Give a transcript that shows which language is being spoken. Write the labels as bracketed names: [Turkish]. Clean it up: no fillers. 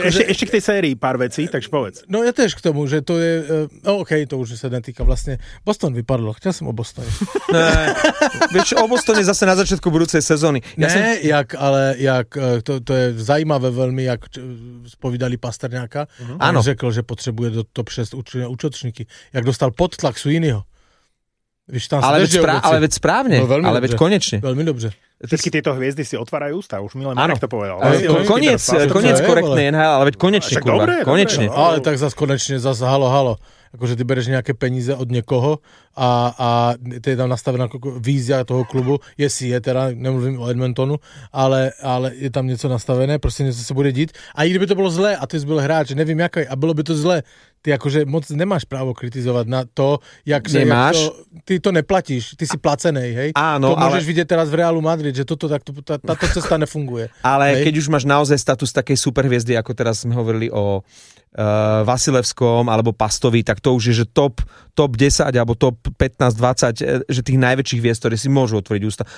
[Slovak] ešte k tej sérii pár vecí, takže povedz. No ja tiež k tomu, že to je... Okej, to už sa netýka vlastne. Boston vypadlo, chcel som o Bostone. Ne, vieš, o Bostone zase na začiatku budúcej sezóny. To je zaujímavé veľmi, jak spovídali Pasterňáka. [Czech] On řekl, že potrebuje do top 6 útočníky. Jak dostal podtlak Sweeneyho. [Slovak] Ale veď správne. No, ale veď konečne. Veľmi dobře. Všetky tieto hviezdy si otvárajú ústa, už Milan Marek to povedal. Koniec korektnej NHL, ale veď konečne, kurva, konečne. [Czech] Ale tak zase konečne, zase halo, halo. Akože ty bereš nejaké peníze od niekoho a to je tam nastavená vízia toho klubu, jestli je teda, nemluvím o Edmontonu, ale je tam nieco nastavené, proste niečo sa bude dít. A i kdyby to bolo zlé, a ty jsi byl hráč, neviem jaký, a bylo by to zlé, ty akože moc nemáš právo kritizovať na to, jak se, nemáš. Ty to neplatíš, ty si placenej, hej? [Slovak] Áno, to môžeš vidieť teraz v Realu Madrid, že toto takto, táto cesta nefunguje. Ale hej? Keď už máš naozaj status takej superhviezdy, ako teraz sme hovorili o Vasilevskom alebo Pastovi, tak to už je, že top 10 alebo top 15, 20, že tých najväčších hviezd, ktoré si môžu otvoriť ústa.